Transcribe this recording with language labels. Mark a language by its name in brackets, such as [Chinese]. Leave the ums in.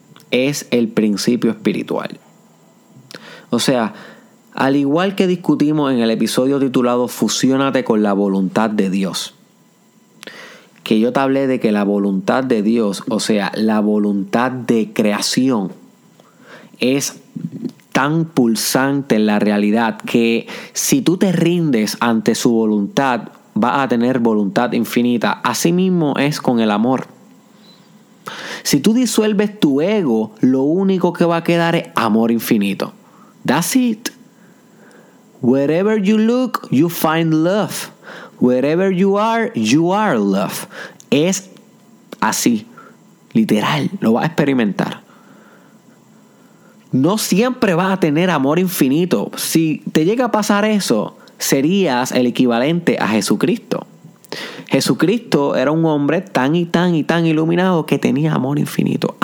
[Spanish] Es el principio espiritual. O sea, al igual que discutimos en el episodio titulado Fusiónate con la voluntad de Dios, que yo te hablé de que la voluntad de Dios, o sea, la voluntad de creación, es tan pulsante en la realidad que si tú te rindes ante su voluntad, vas a tener voluntad infinita. Asimismo es con el amor. Si tú disuelves tu ego, lo único que va a quedar es amor infinito. [English] That's it. Wherever you look, you find love. Wherever you are, you are love. [Spanish] Es así, literal, lo vas a experimentar no siempre vas a tener amor infinito. Si te llega a pasar eso, serías el equivalente a Jesucristo. Jesucristo era un hombre tan y tan y tan iluminado que tenía amor infinito.